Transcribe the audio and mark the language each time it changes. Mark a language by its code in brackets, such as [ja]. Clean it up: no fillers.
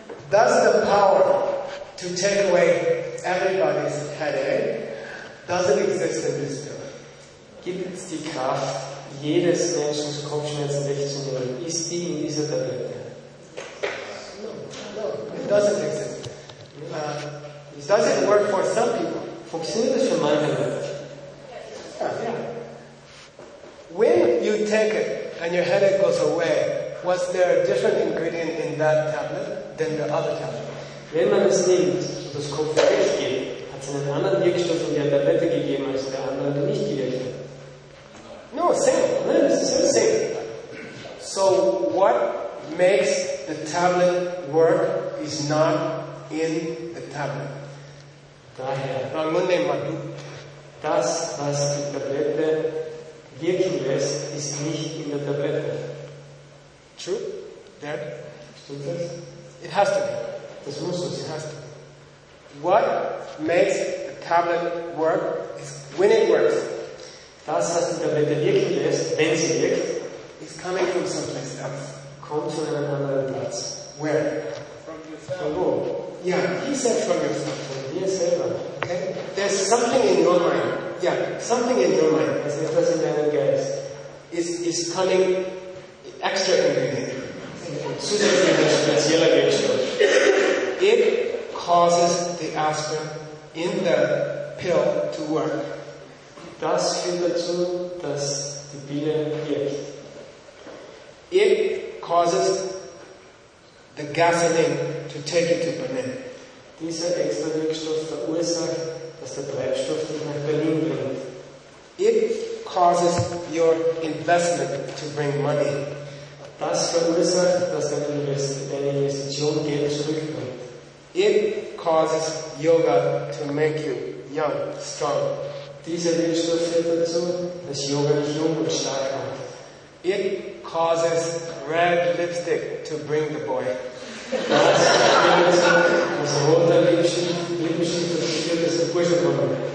[en] Does the power to take away everybody's headache, does it exist in this world? [de] Gibt es die Kraft, jedes Menschen Kopfschmerzen wegzunehmen? Ist die in dieser Tablette? [en] No, it doesn't exist. Does it work for some people? [de] Funktioniert es für manche Leute? [en] When you take it and your headache goes away, was there a different ingredient in that tablet than the other tablet? [de] Wenn man es nimmt und das Kopfschmerzen weggeht, hat es einen anderen Wirkstoff in der Tablette gegeben als der andere, der nicht gewirkt hat? [en] No, same. No, it's the same. So, what makes the tablet work is not in the tablet. [de] Daher, das, was die Tablette wirken lässt, ist nicht in der Tablette. [en] True? Dad? [de] Stimmt das? [en] It has to be. [de] Das muss so sein. [en] It has to be. What makes the tablet work is when it works. [de] Das, was die Tablette wirken lässt, wenn sie wirkt, [en] is coming from someplace else. [de] Kommt von einem anderen Platz. [en] Where? From yourself. From who? Yeah, he said from yourself. [de] Von dir selber. [en] Okay? There's something in your mind. Yeah, something in your mind. [de] Es ist etwas in deinem Geist. [en] Is coming extra ingredient. [de] Zusätzlich ein spezieller Wirkstoff. [en] Causes the aspirin in the pill to work. [de] Das führt dazu, dass die Pille wirkt. [en] It causes the gasoline to take you to Berlin. [de] Dieser extra Wirkstoff verursacht, dass der Treibstoff dich nach Berlin bringt. [en] It causes your investment to bring money. [de] Das verursacht, dass deine Investition Geld zurückbringt. [en] It causes yoga to make you young, strong. [de] Dieser Wirkstoff führt dazu, dass Yoga dich jung und stark macht. [en] It causes red lipstick to bring the boy. [de] Das führt dazu, dass roter Lippenstift dazu führt, dass der Bursche kommt.